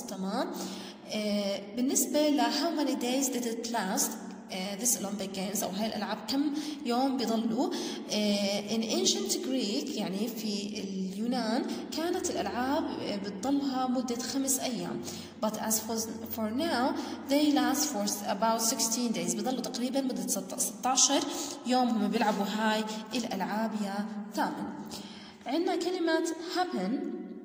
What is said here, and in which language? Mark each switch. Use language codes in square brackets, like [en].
[ar] تمام, بالنسبه ل [en] how many days did it last, this Olympic Games [ar] أو هاي الألعاب كم يوم بيضلوا. [en] In ancient Greek, [ar] يعني في اليونان, كانت الألعاب بتضلها مدة 5 أيام. [en] But as for now, they last for about 16 days. [ar] بيضلوا تقريبا مدة 16 يوم هم بيلعبوا هاي الألعاب. يا ثامن عندنا كلمة happen.